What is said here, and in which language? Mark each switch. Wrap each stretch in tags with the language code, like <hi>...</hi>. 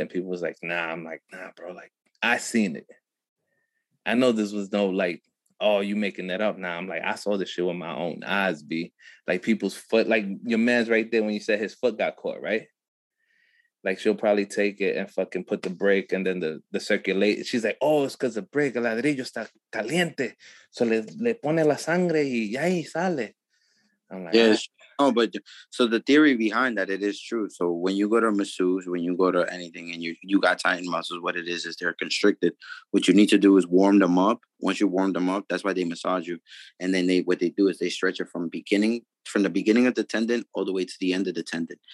<en>And people was like, nah, I'm like, nah, bro. Like, I seen it. I know this was no, like, oh, you making that up. Nah, I'm like, I saw this shit with my own eyes, B. Like, people's foot, like, your man's right there when you said his foot got caught, right? Like, she'll probably take it and fucking put the brake and then the circulate. She's like, oh, it's because the brake,</en> <es>el ladrillo está caliente. So le pone la sangre y ahí sale.</es> <en>I'm like, yes. Oh, but so the theory behind that, it is true. So when you go to a masseuse, when you go to anything and you got tightened muscles, what it is they're constricted. What you need to do is warm them up. Once you warm them up, that's why they massage you. And then what they do is they stretch it from the beginning of the tendon all the way to the end of the tendon.</en>